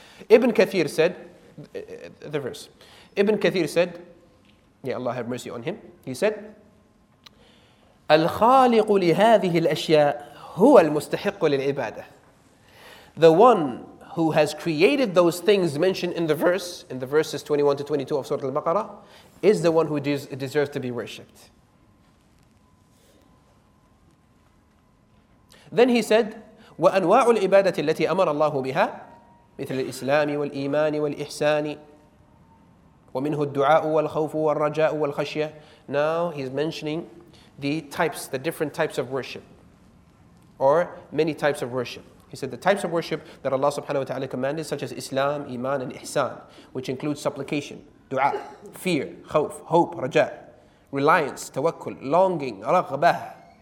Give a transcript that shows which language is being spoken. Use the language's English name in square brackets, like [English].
[English] Ibn Kathir said, the verse, Ibn Kathir said, yeah, Allah have mercy on him, he said, [Arabic] الخالق لهذه الأشياء هو المستحق للعبادة. [English] The one who has created those things mentioned in the verse, in the verses 21 to 22 of Surah Al-Baqarah, is the one who deserves to be worshipped. Then he said, [Arabic] وأنواع العبادة التي أمر الله بها مثل الإسلام والإيمان والإحسان ومنه الدعاء والخوف والرجاء والخشية. [English] Now he's mentioning the types, the different types of worship, or many types of worship. He said the types of worship that Allah subhanahu wa ta'ala commanded, such as Islam, Iman, and Ihsan, which includes supplication, dua, fear, khawf, hope, raja, reliance, tawakkul, longing, raghbah,